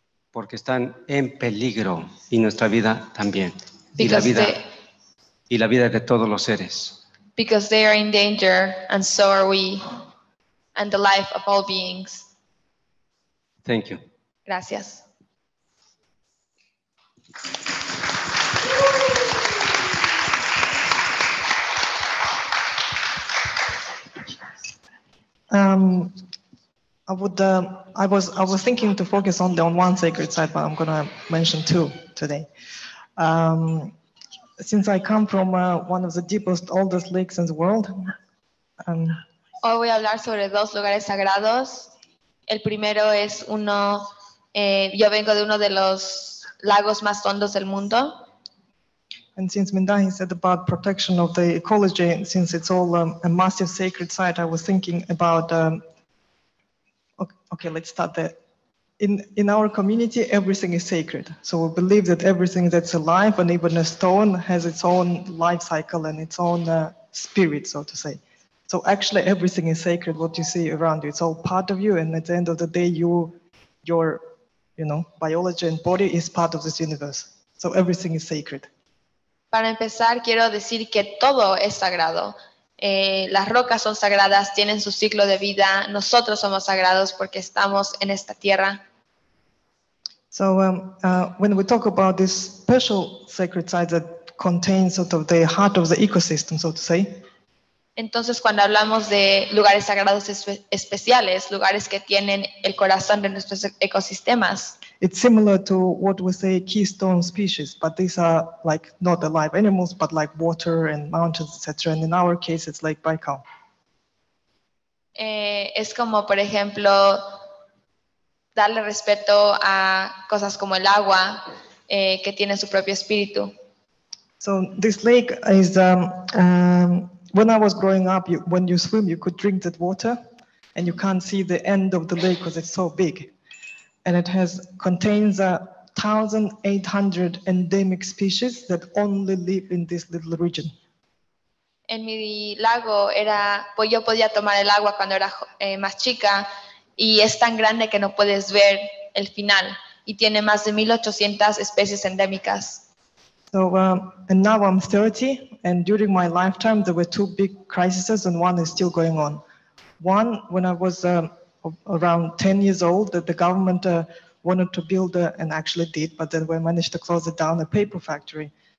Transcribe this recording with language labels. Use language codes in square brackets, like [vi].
[es] Porque están en peligro, y nuestra vida también. Y la vida de todos los seres. [en] Because they are in danger, and so are we, and the life of all beings. Thank you. [es] Gracias. [en] I was thinking to focus only on one sacred site, but I'm going to mention two today. Since I come from one of the deepest, oldest lakes in the world, [es] hoy voy a hablar sobre dos lugares sagrados. El primero es uno. Yo vengo de uno de los lagos más hondos del mundo. [en] And since Mindahi said about protection of the ecology, since it's all a massive sacred site, I was thinking about, okay, let's start there. In our community, everything is sacred. So we believe that everything that's alive, and even a stone, has its own life cycle and its own spirit, so to say. So actually, everything is sacred, what you see around you. It's all part of you, and at the end of the day, your biology and body is part of this universe. So everything is sacred. [es] Para empezar, quiero decir que todo es sagrado. Las rocas son sagradas, tienen su ciclo de vida. Nosotros somos sagrados porque estamos en esta tierra. [en] So when we talk about this special sacred site that contains sort of the heart of the ecosystem, so to say. [es] Entonces, cuando hablamos de lugares sagrados especiales, lugares que tienen el corazón de nuestros ecosistemas. [en] It's similar to what we say keystone species, but these are like not alive animals, but like water and mountains, etc. And in our case, it's Lake Baikal. [es] Es como, por ejemplo, darle respeto a cosas como el agua, que tiene su propio espíritu. [en] So this lake is, when I was growing up, when you swim, you could drink that water, and you can't see the end of the lake because it's so big. And it contains 1,800 endemic species that only live in this little region. [es] En mi lago era, pues yo podía tomar el agua cuando era más chica, y es tan grande que no puedes ver el final, y tiene más de 1,800 especies endémicas. [en] So, and now I'm 30, and during my lifetime, there were two big crises, and one is still going on. One, when I was around 10 years old, that the government wanted to build, and actually did, but then we managed to close it down, a paper factory.